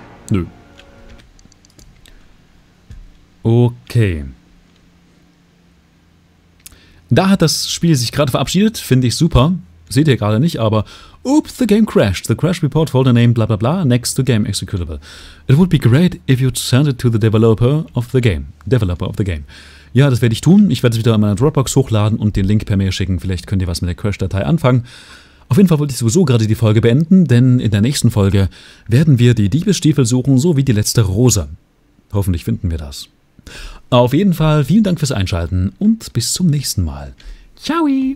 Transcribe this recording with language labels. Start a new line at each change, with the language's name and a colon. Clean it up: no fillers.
German: Nö. Okay. Da hat das Spiel sich gerade verabschiedet, finde ich super. Seht ihr gerade nicht, aber...
English: Oops, the game crashed. The crash report folder name bla bla bla next to game executable. It would be great if you'd send it to the developer of the game. Developer of the game.
German: Ja, das werde ich tun. Ich werde es wieder in meiner Dropbox hochladen und den Link per Mail schicken. Vielleicht könnt ihr was mit der Crash-Datei anfangen. Auf jeden Fall wollte ich sowieso gerade die Folge beenden, denn in der nächsten Folge werden wir die Diebesstiefel suchen, so wie die letzte Rose. Hoffentlich finden wir das. Auf jeden Fall vielen Dank fürs Einschalten und bis zum nächsten Mal. Ciao!